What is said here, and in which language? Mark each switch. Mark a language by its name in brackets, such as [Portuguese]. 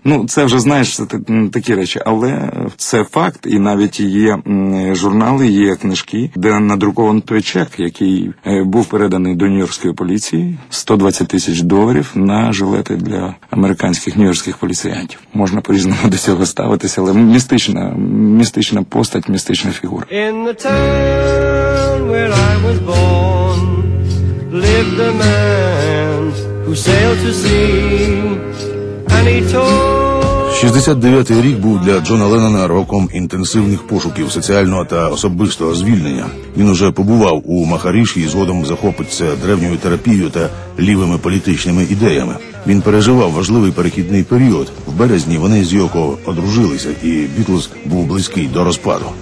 [Ukrainian] Ну, це вже, знаєш, це такі речі. Але це факт, і навіть є журнали, є книжки, де надрукований той чек, який був переданий до нью-йоркської поліції, $120,000 на жилети для американських нью-йоркських поліціянтів. Можна по-різному до цього ставитися, але містична постать, містична фігура. [English] In the town where I was born lived a man who sailed to sea and he told. [Ukrainian] 69-й рік був для Джона Леннона роком інтенсивних пошуків соціального та особистого звільнення. Він уже побував у Махаріші і згодом захопиться древньою терапією та лівими політичними ідеями. Він переживав важливий перехідний період. В березні вони з Йоко одружилися, і Бітлз був близький до розпаду.